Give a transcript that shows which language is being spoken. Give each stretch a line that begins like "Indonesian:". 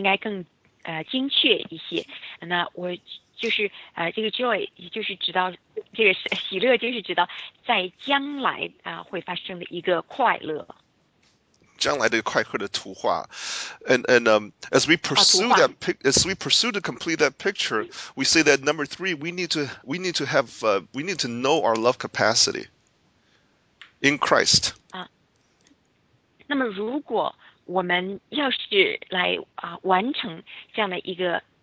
Chinese: 我用词应该更精确一些。那我。就是这个joy，就是指到这个喜乐，就是指到在将来会发生的一个快乐。将来的快乐的图画，
English: and as we pursue that, as we pursue to complete that picture, we say that number three, we need to know our love capacity in Christ.
Chinese: 那么如果我们要是来完成这样的一个。